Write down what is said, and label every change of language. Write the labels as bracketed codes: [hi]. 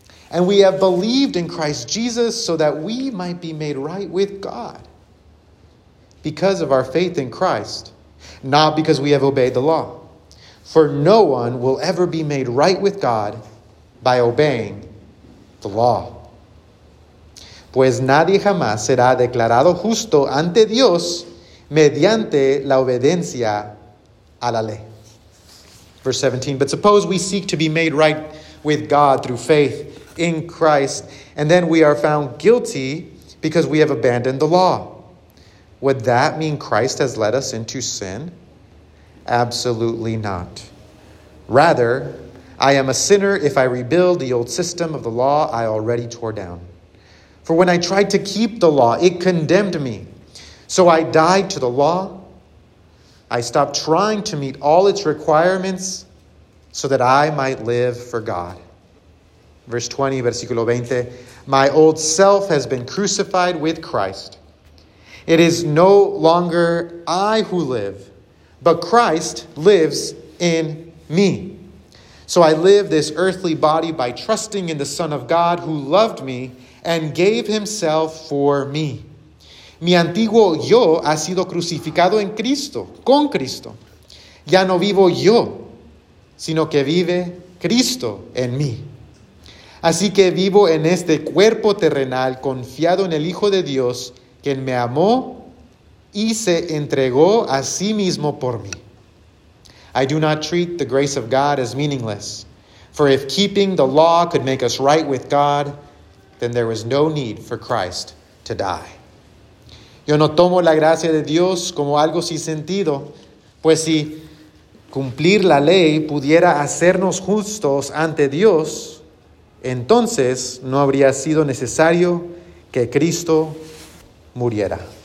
[en] And we have believed in Christ Jesus so that we might be made right with God because of our faith in Christ, not because we have obeyed the law. For no one will ever be made right with God by obeying the law. [es] Pues nadie jamás será declarado justo ante Dios mediante la obediencia a la ley. [en] Verse 17, but suppose we seek to be made right with God through faith in Christ, and then we are found guilty because we have abandoned the law. Would that mean Christ has led us into sin? Absolutely not. Rather, I am a sinner if I rebuild the old system of the law I already tore down. For when I tried to keep the law, it condemned me. So I died to the law. I stopped trying to meet all its requirements so that I might live for God. Verse 20, [es] versículo 20. [en] My old self has been crucified with Christ. It is no longer I who live, but Christ lives in me. So I live this earthly body by trusting in the Son of God who loved me and gave himself for me. [es] Mi antiguo yo ha sido crucificado en Cristo, con Cristo. Ya no vivo yo, sino que vive Cristo en mí. Así que vivo en este cuerpo terrenal confiado en el Hijo de Dios, quien me amó y se entregó a sí mismo por mí. [en] I do not treat the grace of God as meaningless. For if keeping the law could make us right with God, then there was no need for Christ to die. [es] Yo no tomo la gracia de Dios como algo sin sentido, pues si cumplir la ley pudiera hacernos justos ante Dios, entonces no habría sido necesario que Cristo muriera.